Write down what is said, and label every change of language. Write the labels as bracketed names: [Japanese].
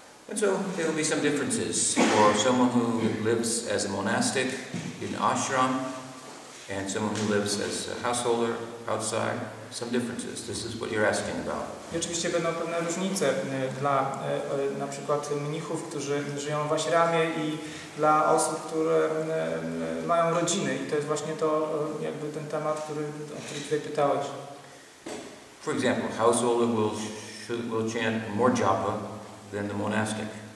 [English] And so there will be some differences for someone who lives as a monastic in ashram and someone who lives as a householder outside. Some differences. This is what you're asking about. [Polish] I oczywiście będą pewne różnice dla na przykład mnichów, którzy żyją w ashramie i dla osób, które mają rodziny. I to jest właśnie to jakby ten temat, o który tutaj pytałeś. [English] For example, householder will chant more japa than the monastic.